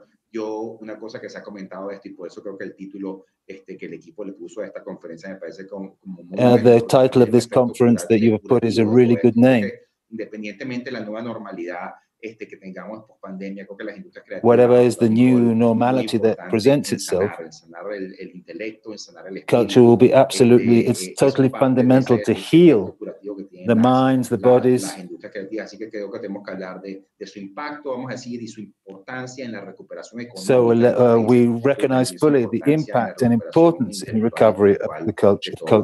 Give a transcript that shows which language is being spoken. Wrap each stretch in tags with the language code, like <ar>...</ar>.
<es>Yo, una cosa que se ha comentado esto, y por eso creo que el título que el equipo le puso a esta conferencia me parece como</es> <en>The title of this conference that you've put is a really good name.</en> <es>Independientemente de la nueva normalidad que tengamos post pandemia, creo que las industrias creativas,</es> <en>whatever is the new normality that presents itself,</en> <es>sanar el intelecto, sanar el</es> <en>culture will be absolutely, it's totally fundamental to heal the minds, the bodies.</en> <es>Así que creo que tenemos que hablar de su impacto, vamos a decir, y su importancia en la recuperación económica.</es> <en>So we recognize fully the impact and importance in recovery of the culture.</en>